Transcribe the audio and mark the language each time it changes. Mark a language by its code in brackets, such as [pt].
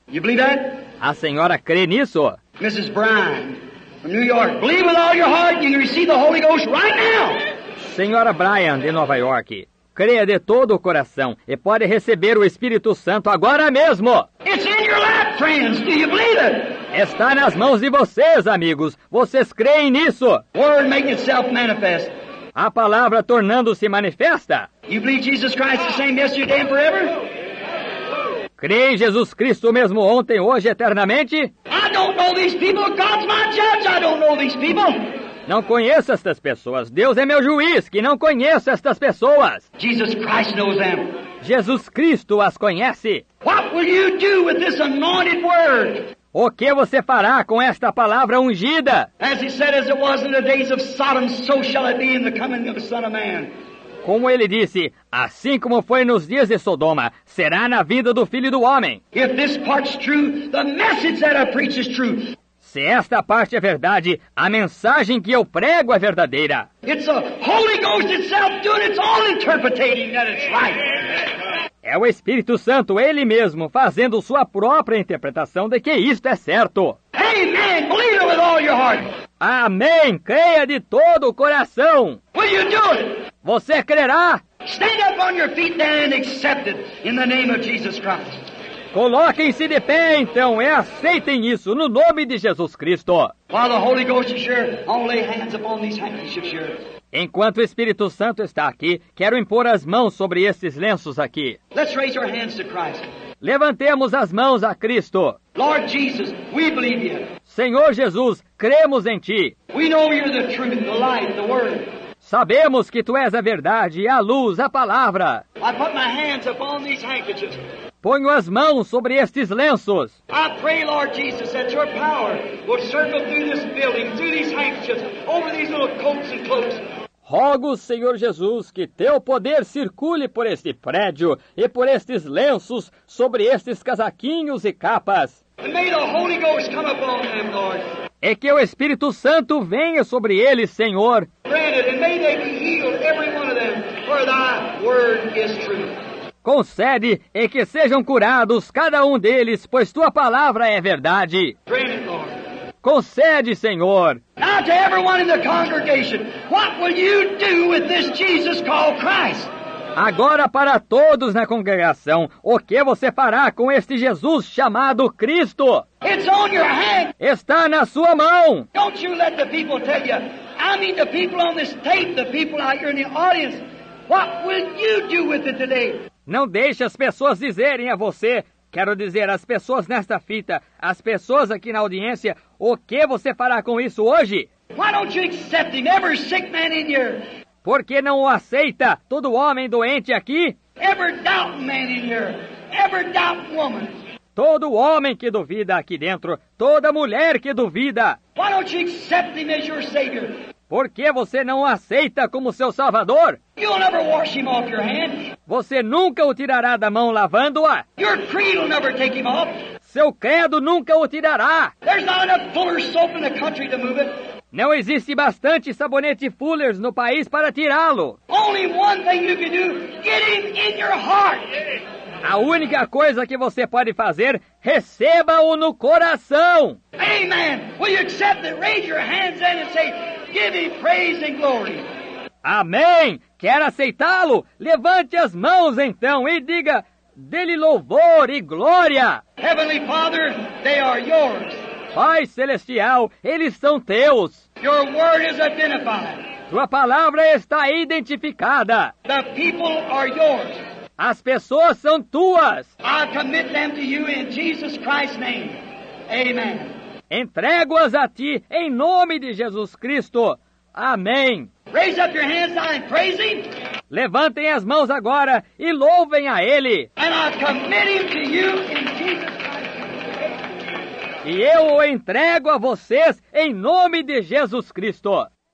[en] You believe that? [pt] A senhora crê nisso? [en] Mrs. Bryan, from New York, believe with all your heart you can receive the Holy Ghost right now. [pt] Senhora Bryan, de Nova York, creia de todo o coração e pode receber o Espírito Santo agora mesmo. [en] It's in your lap, friends. Do you believe it? [pt] Está nas mãos de vocês, amigos. Vocês creem nisso? [en] Word make itself manifest. [pt] A palavra tornando-se manifesta. [en] You believe Jesus Christ the same yesterday and forever? [pt] Crê em Jesus Cristo mesmo ontem, hoje e eternamente? [en] I don't know these people. God's my judge. I don't know these people. [pt] Não conheço estas pessoas. Deus é meu juiz, que não conheço estas pessoas. [en] Jesus Christ knows them. [pt] Jesus Cristo as conhece. [en] What will you do with this anointed word? [pt] O que você fará com esta palavra ungida? [en] As he said, as it was in the days of Sodom, so shall it be in the coming of the Son of Man. [pt] Como ele disse, assim como foi nos dias de Sodoma, será na vida do Filho do Homem. [en] If this part's true, the message that I preach is true. [pt] Se esta parte é verdade, a mensagem que eu prego é verdadeira. [en] It's the Holy Ghost itself doing its own interpreting that it's right. [pt] É o Espírito Santo, ele mesmo, fazendo sua própria interpretação de que isto é certo. [en] Amen. Believe it with all your heart. [pt] Amém! Creia de todo o coração! [en] Will you do it? [pt] Você crerá? [en] Stand up on your feet then and accept it in the name of Jesus Christ. [pt] Coloquem-se de pé, então, e aceitem isso no nome de Jesus Cristo. [en] While the Holy Ghost is here, I'll lay hands upon these handkerchiefs here. [pt] Enquanto o Espírito Santo está aqui, quero impor as mãos sobre esses lenços aqui. [en] Let's raise our hands to Christ. [pt] Levantemos as mãos a Cristo. [en] Lord Jesus, we believe you. [pt] Senhor Jesus, cremos em Ti. [en] We know you're the truth, the light, the word. [pt] Sabemos que Tu és a verdade, a luz, a palavra. [en] I put my hands upon these handkerchiefs. [pt] Ponho as mãos sobre estes lenços. [en] I pray, Lord Jesus, that your power will circle through this building, through these handkerchiefs, over these little coats and cloaks. [pt] Rogo, Senhor Jesus, que teu poder circule por este prédio e por estes lenços, sobre estes casaquinhos e capas. [en] And may the Holy Ghost come upon them, Lord. [pt] É que o Espírito Santo venha sobre eles, Senhor. [en] Granted, and may they be healed, every one of them, for thy word is true. [pt] Concede e que sejam curados cada um deles, pois tua palavra é verdade. [en] Granted, Lord. [pt] Concede, Senhor. [en] Now to everyone in the congregation, what will you do with this Jesus called Christ? [pt] Agora para todos na congregação, o que você fará com este Jesus chamado Cristo? [en] It's on your hand. [pt] Está na sua mão. [en] Don't you let the people tell you. I mean the people on this tape, the people out here in the audience. What will you do with it today? [pt] Não deixe as pessoas dizerem a você, quero dizer, as pessoas nesta fita, as pessoas aqui na audiência, o que você fará com isso hoje? [en] Why don't you accept him, every sick man in here? [pt] Por que não o aceita, todo homem doente aqui? [en] Every doubt man in here, every doubt woman. [pt] Todo homem que duvida aqui dentro, toda mulher que duvida. [en] Why don't you accept him as your savior? [pt] Por que você não o aceita como seu salvador? [en] You'll never wash him off your hand. [pt] Você nunca o tirará da mão lavando-a. [en] Your creed will never take him off. [pt] Seu credo nunca o tirará. [en] There's not enough Fuller soap in the country to move it. [pt] Não existe bastante sabonete Fuller no país para tirá-lo. [en] Only one thing you can do, get him in your heart. [pt] A única coisa que você pode fazer, receba-o no coração. [en] Amen. Will you accept it? Raise your hands then and say, give him praise and glory. [pt] Amém. Quer aceitá-lo? Levante as mãos então e diga, dê-lhe louvor e glória. [en] Heavenly Father, they are yours. [pt] Pai Celestial, eles são teus. [en] Your word is identified. [pt] Tua palavra está identificada. [en] The people are yours. [pt] As pessoas são tuas. [en] I commit them to you in Jesus Christ's name. Amen. [pt] Entrego-as a ti em nome de Jesus Cristo. Amém. [en] Raise up your hands and praise him. [pt] Levantem as mãos agora e louvem a ele. [en] And I commit him to you in Jesus Christ's name. [pt] E eu o entrego a vocês em nome de Jesus Cristo.